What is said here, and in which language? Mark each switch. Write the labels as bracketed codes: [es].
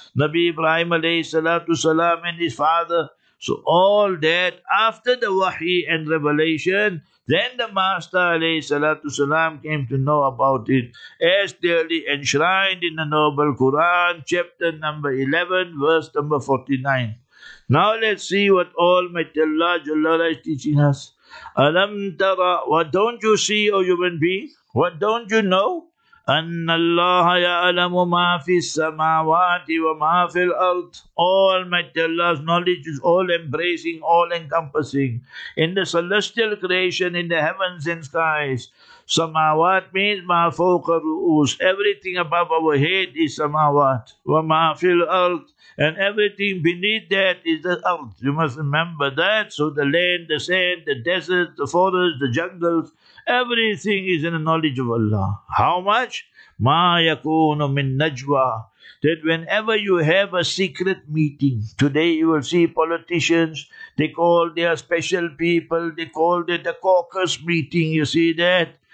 [en] Nabi Ibrahim alayhi salatu salam and his father. So all that after the wahi and revelation, then the Master alayhi salatu salam came to know about it, as clearly enshrined in the noble Quran, chapter number 11, verse number 49. Now let's see what Almighty Allah Jalla Wala is teaching us. Alam tara, what don't you see, O human being? What don't you know? [ar] أن الله يعلم ما في السماوات وما في الأرض. [en] Almighty Allah's knowledge is all-embracing, all-encompassing. In the celestial creation, in the heavens and skies. Samawat means [ar] ما فوق الرؤوس. [en] Everything above our head is Samawat. [ar] وما في الأرض. [en] And everything beneath that is the earth. You must remember that. So the land, the sand, the desert, the forest, the jungles. Everything is in the knowledge of Allah. How much? Ma yakunu min najwa. That whenever you have a secret meeting, today you will see politicians, they call their special people, they call it the caucus meeting, you see that?